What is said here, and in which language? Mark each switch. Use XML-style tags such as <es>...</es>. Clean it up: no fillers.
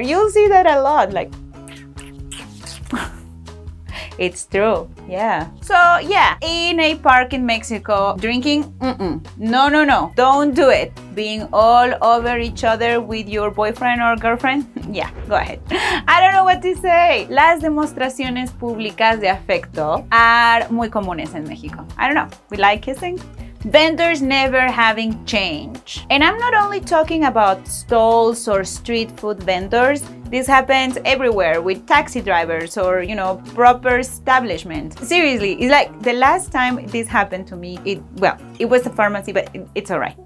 <en>You'll see that a lot, like it's true. Yeah. So yeah, in a park in Mexico, drinking, no, don't do it. Being all over each other with your boyfriend or girlfriend, yeah, go ahead. I don't know what to say.</en> <es>Las demostraciones públicas de afecto</es> <en>are</en> <es>muy comunes en México.</es> <en>I don't know, we like kissing. Vendors never having change. And I'm not only talking about stalls or street food vendors. This happens everywhere with taxi drivers or, you know, proper establishments. Seriously, it's like the last time this happened to me, it was a pharmacy, but it's all right.</en>